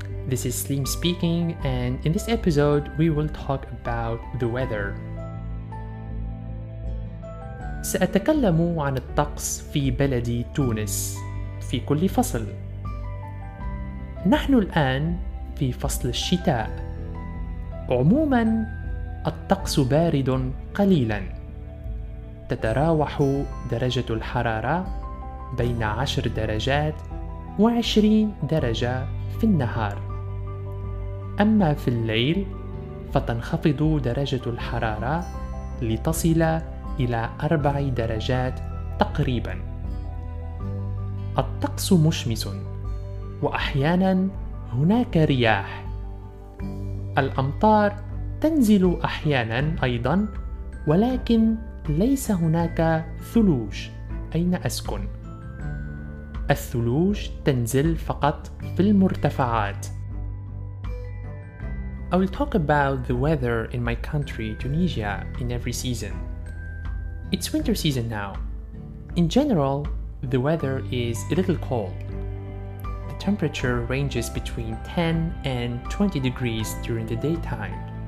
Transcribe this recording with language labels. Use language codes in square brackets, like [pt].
[en] This is Slim speaking, and in this episode we will talk about the weather. [ar] سأتكلم عن الطقس في بلدي تونس في كل فصل. نحن الآن في فصل الشتاء. عموما الطقس بارد قليلا، تتراوح درجة الحرارة بين 10 درجات و 20 درجة في النهار. أما في الليل فتنخفض درجة الحرارة لتصل إلى 4 درجات تقريبا. الطقس مشمس وأحيانا هناك رياح. الأمطار تنزل أحيانا أيضا، ولكن ليس هناك ثلوج أين أسكن. الثلوج تنزل فقط في المرتفعات. [en] I will talk about the weather in my country, Tunisia, in every season. It's winter season now. In general, the weather is a little cold. The temperature ranges between 10 and 20 degrees during the daytime.